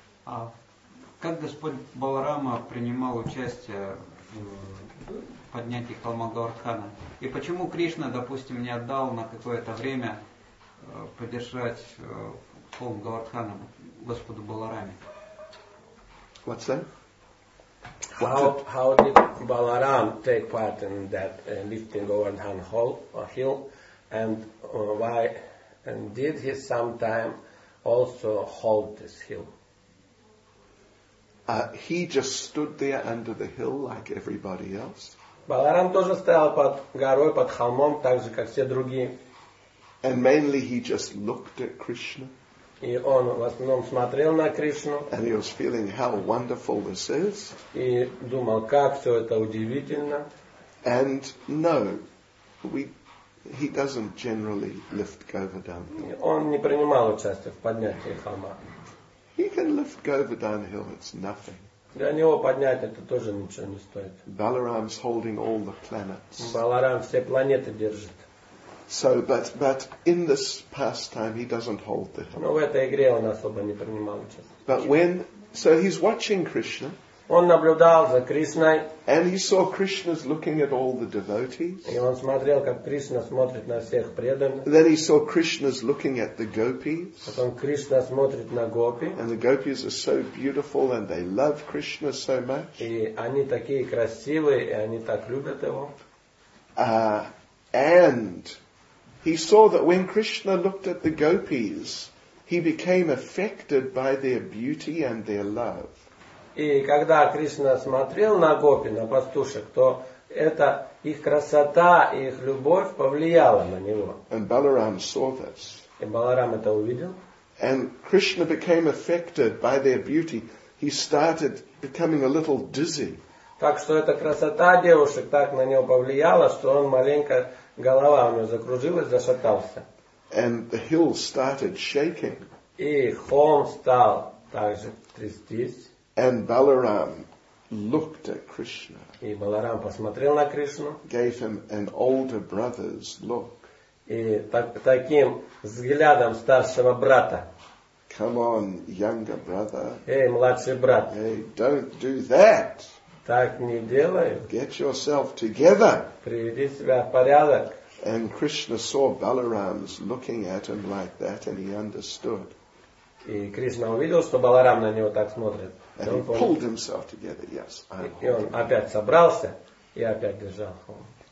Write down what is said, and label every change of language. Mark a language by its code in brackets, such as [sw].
[ru] А как Господь Баларама принимал участие в поднятии холма Говардхана? И почему Кришна, допустим, не отдал на какое-то время поддержать холм Говардхана Господу Балараме? [en] What's that? How did Balaram take part in that lifting Govardhan hill? And why? And did he sometime also hold this hill? He just stood there under the hill like everybody else. [ru] Баларам тоже стоял под горой, под холмом, так же, как все другие. [en] And mainly he just looked at Krishna. [ru] И он в основном смотрел на Кришну. [en] And he was feeling how wonderful this is. [ru] И думал, как все это удивительно. [en] And no, he doesn't generally lift Govardhan Hill. [ru] Он не принимал участие в поднятии холма. [en] He can lift Govardhan Hill, it's nothing. [ru] Для него поднять это тоже ничего не стоит. [en] Balaram's holding all the planets. [ru] Баларам все планеты держит. [en] So, but in this pastime, he doesn't hold the hill. [ru] Но в этой игре он особо не принимал участие. [en] But when, so he's watching Krishna. [ru] Он наблюдал за Кришной. [en] And he saw Krishna's looking at all the devotees. [ru] И он смотрел, как Кришна смотрит на всех преданных. [en] Then he saw Krishna's looking at the gopis. [ru] Потом Кришна смотрит на гопи. [en] And the gopis are so beautiful and they love Krishna so much. [ru] И они такие красивые, и они так любят его. [en] And he saw that when Krishna looked at the gopis, he became affected by their beauty and their love. [ru] И когда Кришна смотрел на гопи, на пастушек, то это их красота, их любовь повлияла на него. [en] And Balaram saw this. [ru] И Баларам это увидел. [en] And Krishna became affected by their beauty. He started becoming a little dizzy. [ru] Так что эта красота девушек так на него повлияла, что он маленько голова у него закружилась, зашатался. [en] And the hill started shaking. [ru] И холм стал также трястись. [en] And Balaram looked at Krishna. [ru] И Баларам посмотрел на Кришну. [en] Gave him an older brother's look. [ru] И таким взглядом старшего брата. [en] Come on, younger brother. [ru] Эй, младший брат. [en] Hey, don't do that. [ru] Так не делай. [en] Get yourself together. [ru] Приведи себя в порядок. [en] And Krishna saw Balaram's looking at him like that, and he understood. [ru] И Кришна увидел, что Баларам на него так смотрит. [en] And he pulled himself together. Yes, [ru] и он опять собрался и опять держал холм.